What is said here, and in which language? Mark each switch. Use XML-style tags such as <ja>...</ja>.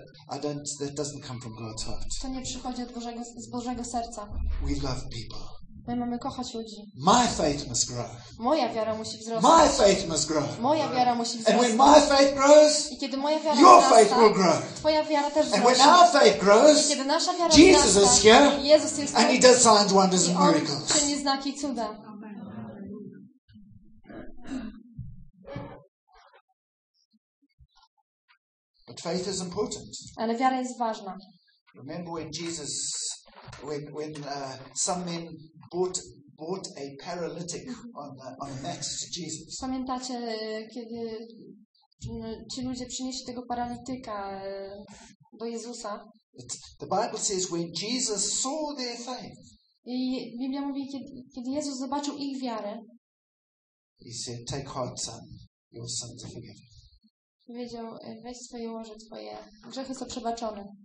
<en>I don't, that doesn't come from God's heart.</en> <pl>To nie przychodzi z Bożego serca.</pl> <en>We love people.</en> <pl>My mamy kochać ludzi.</pl> <en>My faith must grow.</en> <pl>Moja wiara musi wzrosnąć.</pl> <en>My faith must grow.</en> <pl>Moja wiara musi wzrosnąć.</pl> <en>And when my faith grows,</en> <pl>i kiedy moja wiara</pl> <en>your</en> <pl>wzrasta,</pl> <en>faith will grow.</en> <pl>Twoja wiara też</pl> <en>and</en> <pl>wzrosnie.</pl> <en>When our faith grows,</en> <pl>i kiedy nasza wiara</pl> <en>Jesus</en> <pl>wzrasta,</pl> <en>is here,</en> <pl>Jezus jest</pl> <en>and</en> <pl>tutaj,</pl> <en>he does signs, wonders and miracles.</en> <pl>I on czyni znaki i cuda.</pl> <en>But faith is important.</en> <pl>Ale wiara jest ważna.</pl> <en>Remember when Jesus when some men brought a paralytic on a mat to Jesus.</en> <pl>Pamiętacie, kiedy ci ludzie przynieśli tego paralityka do Jezusa?</pl> <en>The Bible says when Jesus saw their faith.</en> <pl>I Biblia mówi, kiedy Jezus zobaczył ich wiarę.</pl> <en>He said, "Take heart, son, your sins are forgiven."</en> <pl>Powiedział, weź swoje łoże, twoje grzechy są przebaczone.</pl>